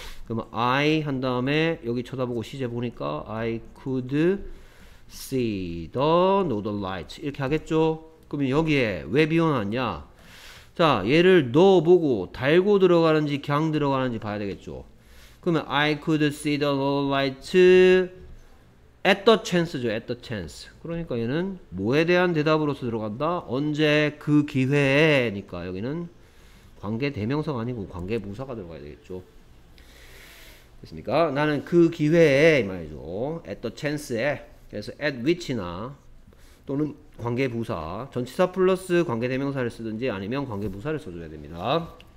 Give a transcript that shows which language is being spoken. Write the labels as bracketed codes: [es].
[ko] 그러면 I 한 다음에 여기 쳐다보고 시제 보니까 [en] I could see the northern lights [ko] 이렇게 하겠죠. 그러면 여기에 왜 비워놨냐? 자, 얘를 넣어보고 달고 들어가는지 그냥 들어가는지 봐야 되겠죠. 그러면 [en] I could see the northern lights at the chance [ko] 죠, at the chance. 그러니까 얘는 뭐에 대한 대답으로서 들어간다? 언제 그 기회에니까 여기는 관계 대명사가 아니고 관계 부사가 들어가야 되겠죠. 됐습니까? 나는 그 기회에 말이죠. [en] at the chance [ko] 에. 그래서 at which나 또는 관계 부사, 전치사 플러스 관계 대명사를 쓰든지 아니면 관계 부사를 써줘야 됩니다.